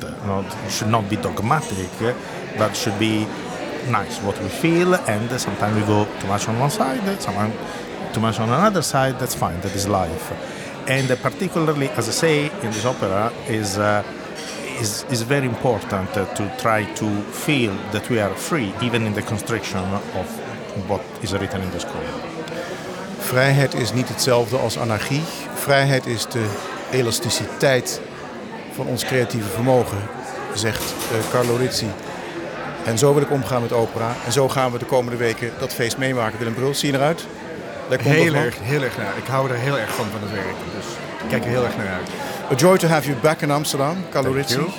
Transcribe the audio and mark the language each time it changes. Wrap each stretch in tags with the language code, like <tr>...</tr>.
<en>Not, should not be dogmatic, but should be nice, what we feel, and sometimes we go too much on one side, sometimes too much on another side, that's fine, that is life. And particularly, as I say, in this opera is very important to try to feel that we are free, even in the constriction of what is written in the score.</en> <nl>Vrijheid is niet hetzelfde als anarchie. Vrijheid is de elasticiteit van ons creatieve vermogen, zegt Carlo Rizzi. En zo wil ik omgaan met opera. En zo gaan we de komende weken dat feest meemaken. Willem Bruls, zie je eruit? Heel erg naar. Ik hou er heel erg van het werk. Dus ik kijk er heel erg naar uit.</nl> <en>A joy to have you back in Amsterdam, Carlo Rizzi.</en>